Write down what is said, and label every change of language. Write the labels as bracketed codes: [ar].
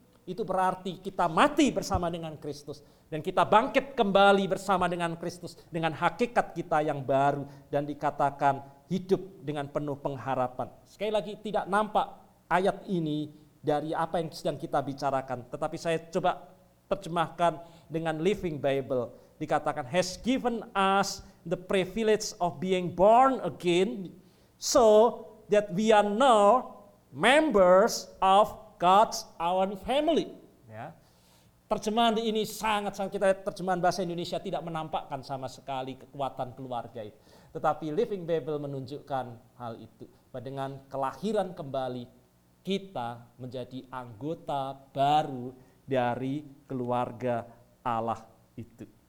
[id] Itu berarti kita mati bersama dengan Kristus. Dan kita bangkit kembali bersama dengan Kristus. Dengan hakikat kita yang baru. Dan dikatakan hidup dengan penuh pengharapan. Sekali lagi tidak nampak ayat ini dari apa yang sedang kita bicarakan. Tetapi saya coba terjemahkan dengan Living Bible. [en] Dikatakan, has given us the privilege of being born again. So that we are now members of God's our family. [id] Ya. Terjemahan ini sangat-sangat, kita lihat terjemahan bahasa Indonesia tidak menampakkan sama sekali kekuatan keluarga itu. Tetapi Living Bible menunjukkan hal itu. Dengan kelahiran kembali, kita menjadi anggota baru dari keluarga Allah itu.